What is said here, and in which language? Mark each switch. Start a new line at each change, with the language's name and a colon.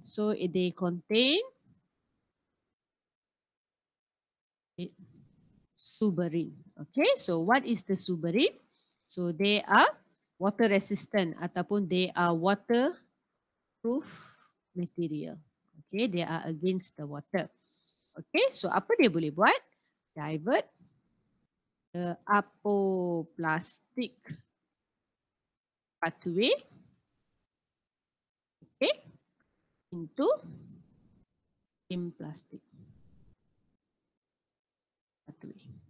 English: So they contain suberin. Okay, so what is the suberin? So they are water resistant ataupun they are waterproof material. Okay, they are against the water. Okay, so
Malay: apa dia boleh buat?
English: Divert the apoplastic pathway, okay, into symplastic pathway.